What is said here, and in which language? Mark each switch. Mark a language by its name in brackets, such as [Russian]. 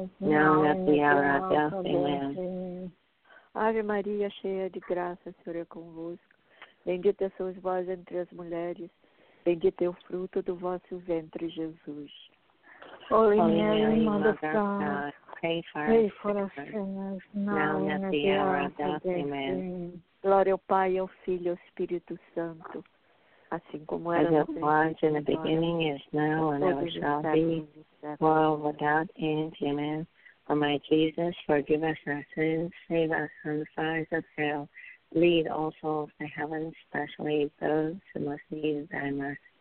[English] Holy Mary, Mother of God, pray for us sinners now and at the hour of death. Amen. [Portuguese] Ave Maria, cheia de graça, o Senhor é convosco. Bendita sois vós entre as mulheres. Bendito é o fruto do vosso ventre, Jesus. [English] Holy Mary, Mother of God, pray for us sinners now and at the hour of death. Amen. [Portuguese] Glória ao Pai, ao Filho e ao Espírito Santo, assim como era no princípio, [English] was in the beginning, is now, and ever shall be, world without end. Amen. O my Jesus, forgive us our sins, save us from the fires of hell. Lead all souls to heaven, especially those who most need thy mercy.